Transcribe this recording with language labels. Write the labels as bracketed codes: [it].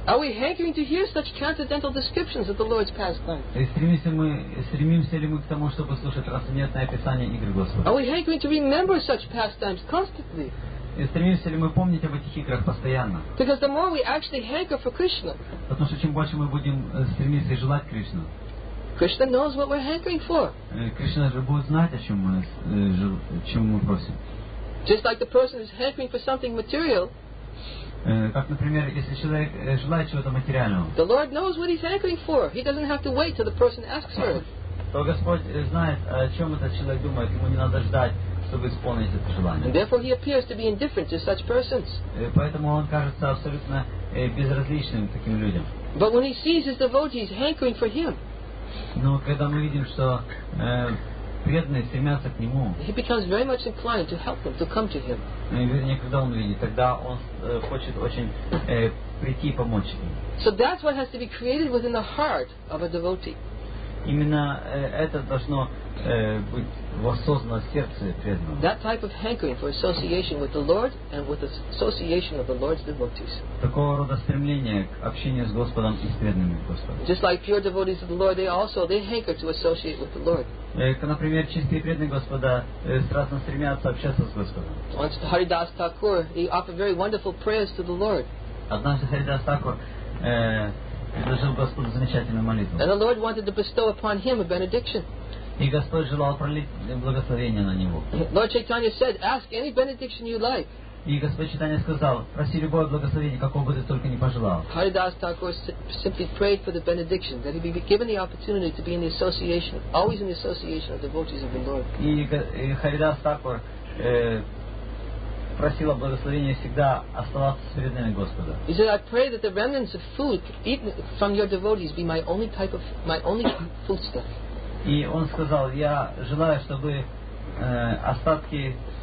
[en] Are we hankering to hear such transcendental descriptions of the Lord's pastimes? [ru] Стремимся ли мы к тому, чтобы слушать трансцендентное описание игр Господа? [en] Are we hankering to remember such pastimes constantly? [ru] И стремимся ли мы помнить об этих играх постоянно? [en] Because the more we actually hanker for Krishna, [ru] потому что чем больше мы будем стремиться и желать Кришну, [en] Krishna knows what we're hankering for. [ru] Кришна же будет знать, о чем мы просим. [en] Just like the person is hankering for something material. [ru] Как, например, если человек желает чего-то материального. [en] The Lord knows what he's hankering for. He doesn't have to wait till the person asks for it. [ru] То Господь знает, о чем этот человек думает, ему не надо ждать, чтобы исполнить это желание. [en] And therefore, he appears to be indifferent to such persons. [ru] Поэтому он кажется абсолютно безразличным таким людям. [en] But when he sees his devotees hankering for him. [ru] Но когда мы видим, что преданные стремятся к нему. [en] He becomes very much inclined to help them, to come to him. [ru] Когда он видит, тогда он хочет очень прийти и помочь им. [en] So that's what has to be created within the heart of a devotee. [ru] Именно это должно быть воссоздано в сердце преданного. [en] That type of hankering for association with the Lord and with the association of the Lord's devotees. [ru] Такого рода стремление к общению с Господом и с преданными Господом. [en] Just like pure devotees of the Lord, they hanker to associate with the Lord. [ru] Например, чистые преданные Господа страстно стремятся общаться с Господом. [en] Once Haridas Thakur, he offered very wonderful prayers to the Lord. [ru] Однажды Haridas Thakur предложил Господу замечательную молитву. [en] And the Lord wanted to bestow upon him a benediction. [ru] И Господь желал пролить благословение на него. [en] Lord Chaitanya said, ask any benediction you like. [ru] И Господь Чайтанья сказал, проси любое благословение, какого бы ты только не пожелал. [en] Haridas Thakur simply prayed for the benediction, that he be given the opportunity to be in the association, always in the association of devotees of the Lord. [ru] И Haridas Thakur просила благословения всегда оставаться с преданными Господа. [en] He said, I pray that the remnants of food eaten from your devotees be my only type of my only foodstuff. [ru] И он сказал, я желаю, чтобы остатки